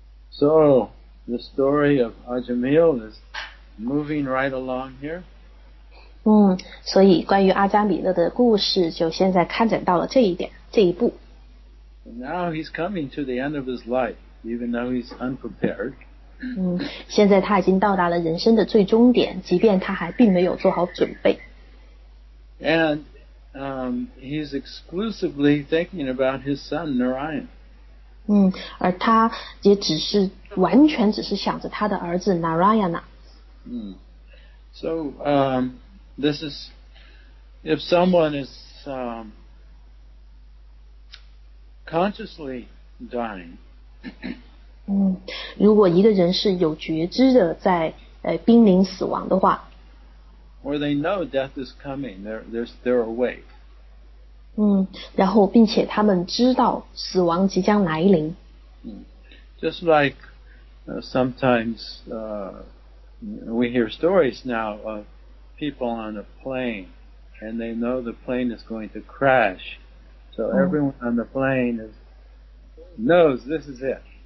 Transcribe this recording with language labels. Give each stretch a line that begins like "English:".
English: So, the story of Ajamil is moving right along here.
Chinese: 所以关于阿加米勒的故事就现在开展到了这一步。
English: Now he's coming to the end of his life, even though he's unprepared.
Chinese: 现在他已经到达了人生的最终点，即便他还并没有做好准备。
English: And he's exclusively thinking about his son Narayan.
Chinese: 而他也只是完全只是想着他的儿子 Narayana.
English: So this is, if someone is consciously dying.
Chinese: 如果一个人是有觉知的在濒临死亡的话，
English: or they know death is coming, they're awake.
Chinese: 然后并且他们知道死亡即将来临。
English: Just like sometimes we hear stories now of people on a plane and they know the plane is going to crash. So everyone on the plane knows this is it.